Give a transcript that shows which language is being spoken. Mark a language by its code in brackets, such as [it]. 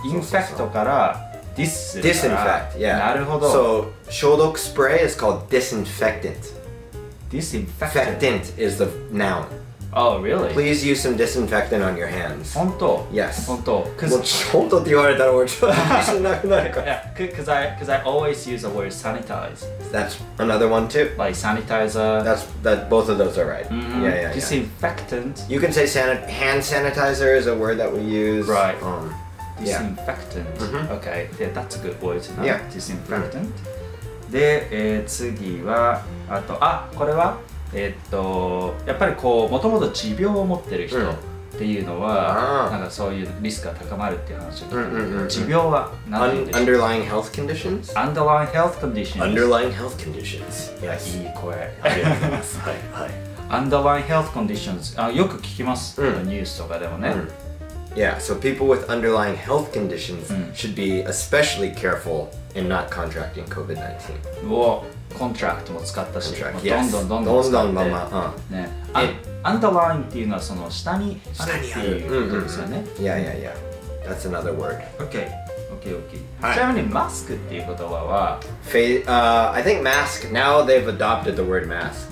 [ja] Infect から dis するから。 [en] Disinfect, yeah. [ja] なるほど。 [en] So, 消毒 spray is called disinfectant. Disinfectant is the noun. Oh, really? Please use some disinfectant on your hands. [ja] 本当? [en] Yes. [ja] 本当。もう、本当って言われたら俺ちょっと自信なくなるから。 [en] Yeah, because I always use the word sanitize. That's another one too. Like sanitizer. Both of those are right. Mm-hmm. Yeah, yeah, yeah. Disinfectant. You can say hand sanitizer is a word that we use. Right. Disinfectant. Yeah. Mm-hmm. Okay, yeah, that's a good word to know. Yeah. [ja] Disinfectant. で、次は、あと、あ、これは? やっぱりこうもともと持病を持ってる人っていうのは、うん、なんかそういうリスクが高まるっていう話を聞いて、うんうんうんうん、持病は何でしょう [en] underlying health conditions? Underlying health conditions. Underlying health conditions. Yes. [ja] いい声。はい、はい。 [en] Underlying health conditions. [ja] よく聞きます、うん、ニュースとかでもね。うん、 [en] yeah, so people with underlying health conditions should be especially careful in not contracting COVID-19. [ja] うおコントラクトも使ったし、 [en] yes. [ja] どんどんどんどん使って、どんどんまあ、ね、アンダーラインっていうのはその下にあるっていうことですよね。 [en] うんうんうん、yeah, yeah, yeah. That's another word. Okay, okay, okay.、 [ja] はい、ちなみにマスクっていう言葉は、 [en] I think mask. Now they've adopted the word mask.